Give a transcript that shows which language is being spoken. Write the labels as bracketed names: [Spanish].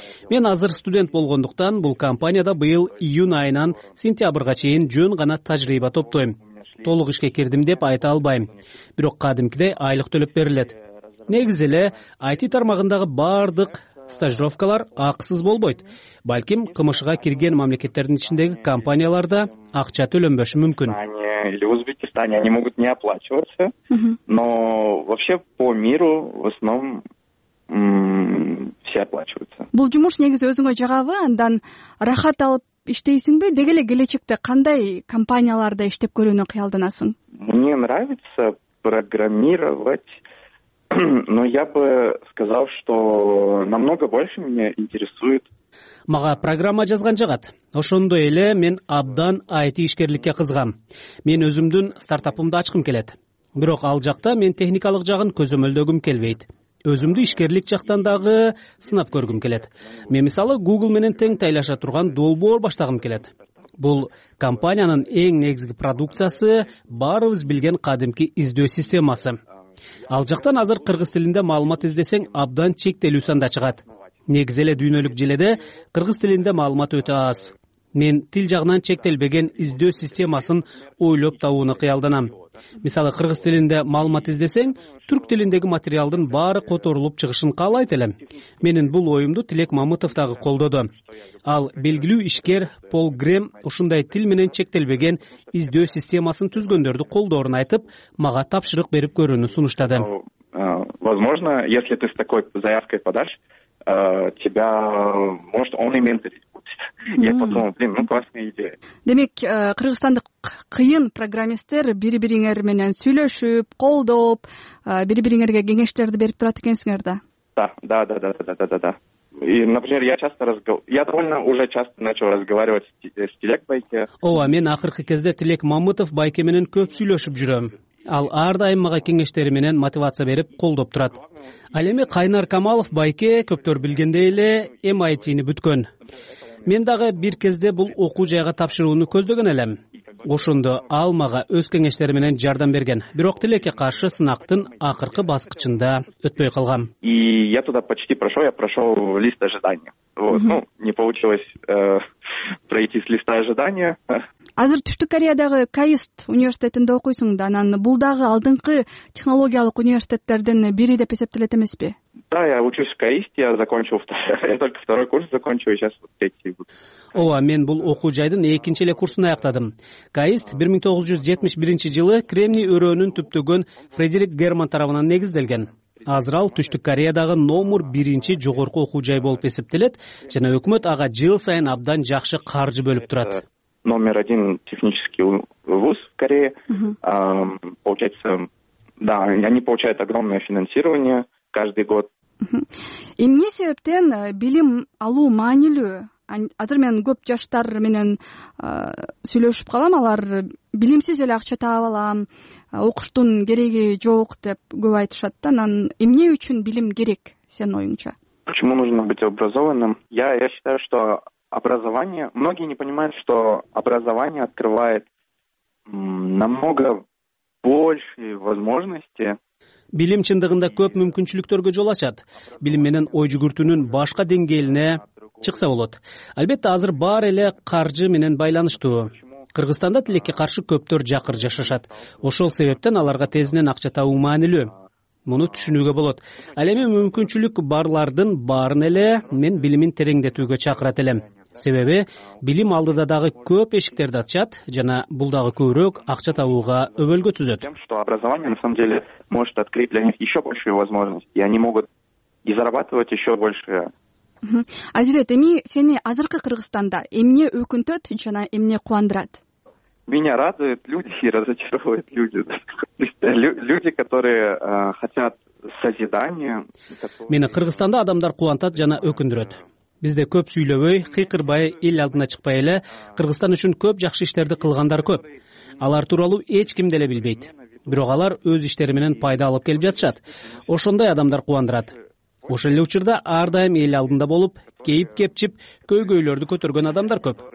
[Kyrgyz] Мен азыр студент болгондуктан бул компанияда быйыл июнь айынан сентябрга чейин жөн гана тажрыйба топтойм. Толук ишке кирдим деп айта албайм. Бирок кадимкидей айлык төлөп берилет. Негизи эле IT тармагындагы бардык стажировкалар акысыз болбойт. Балким КМШ-га кирген мамлекеттердин ичиндеги компанияларда акча төлөнбөшү мүмкүн. [Russian] Или в Узбекистане они могут не оплачиваться. Но вообще по миру в основном все оплачиваются. [Kyrgyz] Бул жумуш негизи өзүңө жагабы, андан рахат алып иштейсиңби? Деги эле келечекте кандай компанияларда иштеп көрүүнү кыялданасың? [Russian] Мне нравится программировать. Но я бы сказал, что намного больше меня интересует. [Kyrgyz] Мага программа жазган жагат. Ошондой эле мен абдан IT ишкерликке кызгам. Мен өзүмдүн стартапымды ачкым келет. Бирок ал жакта мен техникалык жагын көзөмөлдөгүм келбейт. Өзүмдү ишкерлик жактан дагы сынап көргүм келет. Мен мисалы Google менен тең тайлаша турган долбоор баштагым келет. Бул компаниянын эң негизги продукциясы, баарыбыз билген кадимки издөө системасы. Ал жактан азыр кыргыз тилинде маалымат издесең абдан чектелүү санда чыгат. Негизи эле дүйнөлүк желеде кыргыз тилинде маалымат өтө аз. Мен тил жагынан чектелбеген издөө системасын ойлоп табууну кыялданам. Мисалы, кыргыз тилинде маалымат издесең, түрк тилиндеги материалдын баары которулуп чыгышын каалайт элем. Менин бул оюмду Тилек Мамытов дагы колдоду. Ал белгилүү ишкер Пол Грем ушундай тил менен чектелбеген издөө системасын түзгөндөрдү колдоорун айтып, мага тапшырык берип көрүүнү сунуштады. [Russian] Возможно, если ты с такой заявкой подашь, тебя может он и ментор. Я подумал, блин, ну классная идея. [Kyrgyz] Демек, кыргызстандык кыйын программисттер бири-бириңер менен сүйлөшүп, колдоп, бири-бириңерге кеңештерди берип турат экенсиңер да. [Russian] Да. И, например, я довольно уже часто начал разговаривать с Тилек Байке. [Kyrgyz] Ооба, мен акыркы кезде Тилек Мамытов Байке менен көп сүйлөшүп жүрөм. Ал ар дайым мага кеңештери менен мотивация берип колдоп турат. Ал эми Кайнар Камалов Байке көптөр билгендей эле MIT-ни бүткөн. Мен дагы бир кезде бул окуу жайга тапшырууну көздөгөн элем. Ошондо ал мага өз кеңештери менен жардам берген. Бирок Тилекке каршы сынактын акыркы баскычында өтпөй калган. [Russian] И я туда почти прошел, я прошел лист ожидания. Ну, не получилось пройти с листа ожидания. [Kyrgyz] Азыр Түштүк Кореядагы КАИСТ университетинде окуйсуң да, анан бул дагы алдыңкы технологиялык университеттердин бири деп эсептелет эмеспи? [Russian] Да, я учусь в КАИСТ, я только второй курс закончил, сейчас вот третий буду. [Kyrgyz] Ооба, мен бул окуу жайдын экинчи эле курсун аяктадым. КАИСТ 1971 жылы Кремний өрөөнүн түптөгөн Фредерик Герман тарабынан негизделген. Азыр ал Түштүк Кореядагы номер биринчи жогорку окуу жай болуп эсептелет жана өкмөт ага жыл сайын абдан жакшы каржы бөлүп турат. [Russian] Номер один технический вуз в Корее. Получается, да, они получают огромное финансирование каждый год. [Kyrgyz] Эмне себептен билим алуу маанилүү? Азыр мен көп жаштар менен сүйлөшүп калам, алар билимсиз эле акча таап алам, окуштун кереги жок деп көп айтышат да. Анан эмне үчүн билим керек сенин оюңча? [Russian] Почему нужно быть образованным? Я считаю, что образование, многие не понимают, что образование открывает намного больше возможности. [Kyrgyz] Билим чындыгында көп мүмкүнчүлүктөргө жол ачат. Билим менен ой жүгүртүүнүн башка деңгээлине чыкса болот. Албетте, азыр баары эле каржы менен байланыштуу. Кыргызстанда тилекке каршы көптөр жакыр жашашат. Ошол себептен аларга тезинен акча табуу маанилүү. Муну түшүнүүгө болот. Ал эми мүмкүнчүлүк барлардын баарын эле мен билимин тереңдетүүгө чакырат элем. Себеби билим алдыда дагы көп эшиктерди ачат жана бул дагы көбүрөөк акча табууга өбөлгө түзөт. [Russian] Тем, что образование на самом деле может открыть для них еще большие возможности, и они могут и зарабатывать еще больше. [Kyrgyz] Азирет, эми сени азыркы Кыргызстанда эмне өкүнтөт жана эмне куандырат? [Russian] Меня радуют люди и разочаровывают люди. Люди, которые хотят созидания. [Kyrgyz] Мени Кыргызстанда адамдар куантат жана өкүндүрөт. Бизде көп сүйлөбөй, кыйкырбай, эл алдына чыкпай эле Кыргызстан үчүн көп жакшы иштерди кылгандар көп. Алар тууралуу эч ким деле билбейт. Бирок алар өз иштери менен пайда алып келип жатышат. Ошондой адамдар куандырат. Ошол эле учурда ар дайым эл алдында болуп, кейип кепчип, көйгөйлөрдү көтөргөн адамдар көп.